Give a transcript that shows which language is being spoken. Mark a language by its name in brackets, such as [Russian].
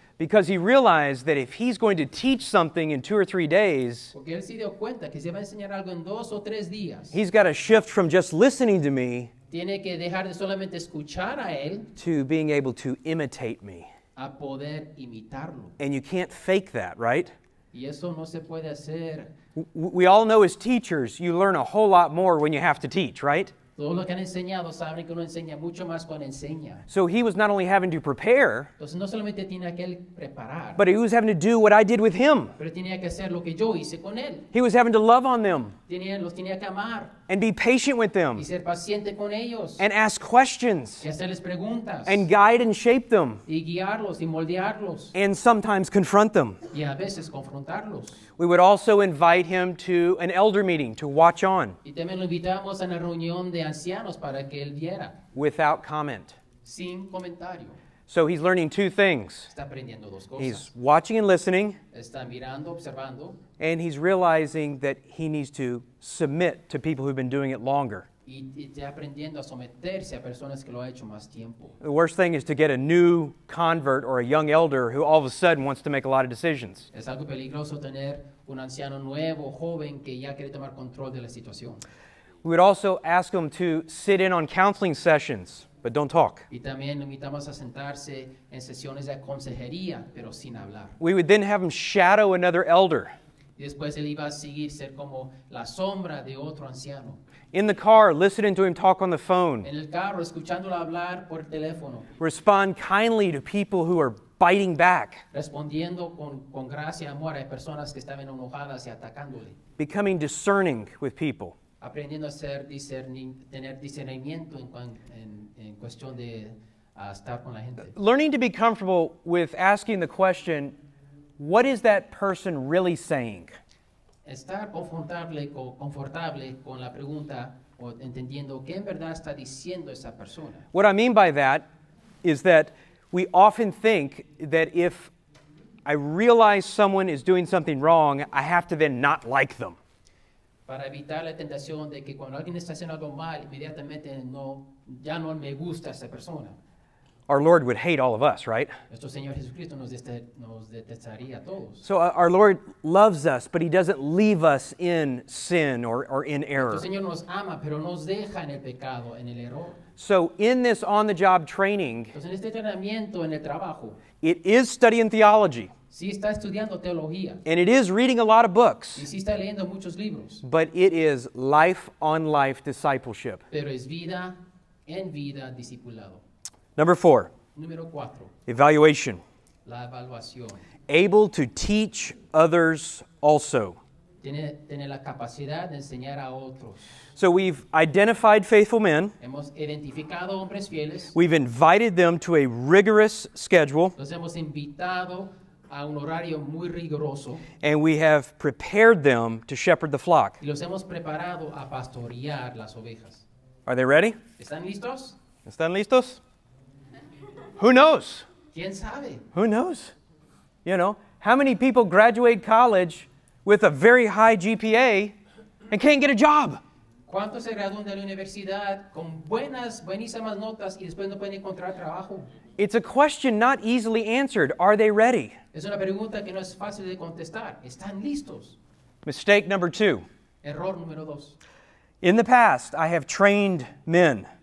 [English] Because he realized that if he's going to teach something in 2 or 3 days, [Spanish] porque él se dio cuenta que se va a enseñar algo en dos o tres días, [English] he's got to shift from just listening to me, [Spanish] tiene que dejar de solamente escuchar a él, [English] to being able to imitate me. [Spanish] A poder imitarlo. [English] And you can't fake that, right? [Spanish] Y eso no se puede hacer. [English] We all know as teachers, you learn a whole lot more when you have to teach, right? [Spanish] Todos los que han enseñado saben que uno enseña mucho más cuando enseña. [English] So he was not only having to prepare, [Spanish] entonces no solamente tiene que preparar, [English] but he was having to do what I did with him. [Spanish] Pero tenía que hacer lo que yo hice con él. [English] He was having to love on them. [Spanish] Los tenía que amar. [English] And be patient with them. [Spanish] Y ser paciente con ellos. [English] And ask questions. [Spanish] Y hacerles preguntas. [English] And guide and shape them. [Spanish] Y guiarlos y moldearlos. [English] And sometimes confront them. [Spanish] Y a veces confrontarlos. [English] We would also invite him to an elder meeting to watch on. [Spanish] Y también lo invitamos a una reunión de ancianos para que él viera. [English] Without comment. [Spanish] Sin comentario. [English] So he's learning two things. [Spanish] Está aprendiendo dos cosas. [English] He's watching and listening. [Spanish] Está mirando, observando. [English] And he's realizing that he needs to submit to people who've been doing it longer. [Spanish] Y está aprendiendo a someterse a personas que lo ha hecho más tiempo. [English] The worst thing is to get a new convert or a young elder who all of a sudden wants to make a lot of decisions. [Spanish] Es algo peligroso tener un anciano nuevo, joven, que ya quiere tomar control de la situación. [English] We would also ask him to sit in on counseling sessions. But don't talk. [Spanish] Y también lo invitamos a sentarse en sesiones de consejería, pero sin hablar. [English] We would then have him shadow another elder. [Spanish] Y después él iba a seguir ser como la sombra de otro anciano. [English] In the car, listening to him talk on the phone. [Spanish] En el carro, escuchándolo hablar por teléfono. [English] Respond kindly to people who are biting back. [Spanish] Respondiendo con gracia y amor a personas que estaban enojadas y atacándole. [English] Becoming discerning with people. [Spanish] Aprendiendo a ser tener discernimiento en cuestión de estar con la gente. [English] Learning to be comfortable with asking the question, what is that person really saying? [Spanish] Estar confortable con la pregunta o entendiendo qué en verdad está diciendo esa persona. [English] What I mean by that is that we often think that if I realize someone is doing something wrong, I have to then not like them. [Spanish] Para evitar la tentación de que cuando alguien está haciendo algo mal, inmediatamente ya no me gusta esa persona. [English] Our Lord would hate all of us, right? [Spanish] Nuestro Señor Jesucristo nos detestaría a todos. [English] So our Lord loves us, but he doesn't leave us in sin or in error. [Spanish] Nuestro Señor nos ama, pero nos deja en el pecado, en el error. [English] So in this on-the-job training, [Spanish] entonces en este entrenamiento en el trabajo, [English] it is studying theology. [Spanish] Sí, está estudiando teología. [English] And it is reading a lot of books. [Spanish] Y sí, está leyendo muchos libros. [English] But it is life-on-life discipleship. [Spanish] Pero es vida en vida discipulado. [English] Number four. [Spanish] Número cuatro. [English] Evaluation. [Spanish] La evaluación. [English] Able to teach others also. [Spanish] Tiene la capacidad de enseñar a otros. [English] So we've identified faithful men. [Spanish] Hemos identificado hombres fieles. [English] We've invited them to a rigorous schedule. [Spanish] Los hemos invitado a un horario muy rigoroso. [English] And we have prepared them to shepherd the flock. [Spanish] Y los hemos preparado a pastorear las ovejas. [English] Are they ready? [Spanish] ¿Están listos? ¿Están listos? [English] Who knows? [Spanish] ¿Quién sabe? [English] Who knows? You know, how many people graduate college with a very high GPA and can't get a job? [Spanish] ¿Cuántos se gradúan de la universidad con buenas, buenísimas notas y después no pueden encontrar trabajo? [English] It's a question not easily answered. Are they ready? [Spanish] Es una pregunta que no es fácil de contestar. ¿Están listos? [English] Mistake number two. [Spanish] Error número dos. [English] In the past, I have trained men.